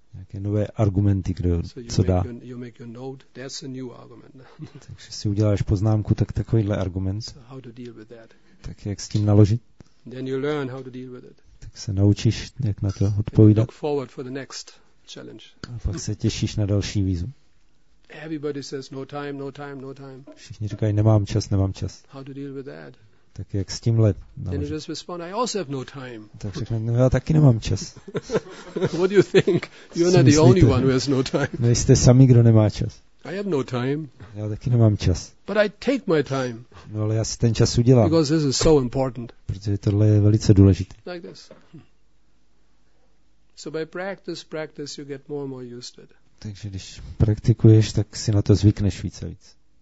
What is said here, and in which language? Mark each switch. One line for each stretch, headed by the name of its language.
Czech: Nějaké nové argumenty, kdo co dá.
English: You make your note, that's a new argument.
Czech: Takže si uděláš poznámku, tak takovýhle argument.
English: So how to deal with that?
Czech: Tak jak s tím naložit?
English: Then you learn how to deal with it.
Czech: Tak se naučíš, jak na to odpovídat.
English: Look forward for the next challenge.
Czech: A pak se těšíš na další výzvu.
English: Everybody says no time, no time, no time.
Czech: Všichni říkají, nemám čas, nemám čas.
English: How to deal with that?
Czech: Tak jak s tímhle?
English: Then you just respond, I also have no time.
Czech: Tak řekne, no, já taky nemám čas.
English: What do you think? You're not the only one who has no time.
Czech: Nejste sami, kdo nemá čas.
English: I have no time.
Czech: Já taky nemám čas.
English: But I take my time.
Czech: No, ale já si ten čas udělám.
English: Because this is so important.
Czech: Protože tohle je velice důležité.
English: Like this. So by practice, practice, you get more and more used to it.
Czech: Takže když praktikuješ, tak si na to zvykneš víc a víc.